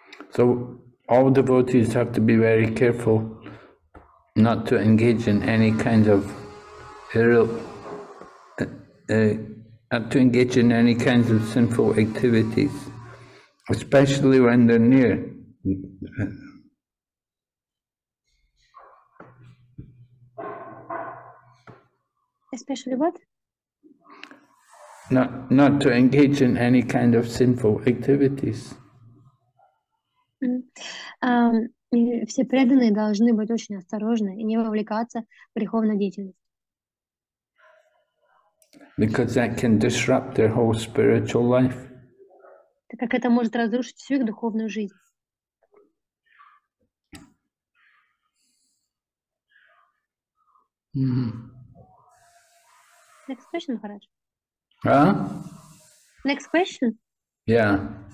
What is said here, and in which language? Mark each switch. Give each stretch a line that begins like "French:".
English: So all devotees have to be very careful not to engage in any kind of not to engage in any kinds of sinful activities, especially when they're near. Especially what? Not to engage in any kind of sinful activities.
Russian: Все преданные должны быть очень осторожны и не вовлекаться в греховную деятельность.
English: Because that can disrupt their whole spiritual life.
Russian: Так как это может разрушить всю их духовную жизнь. Mm-hmm.
English: Next question, Maharaj. Huh? Next question? Yeah.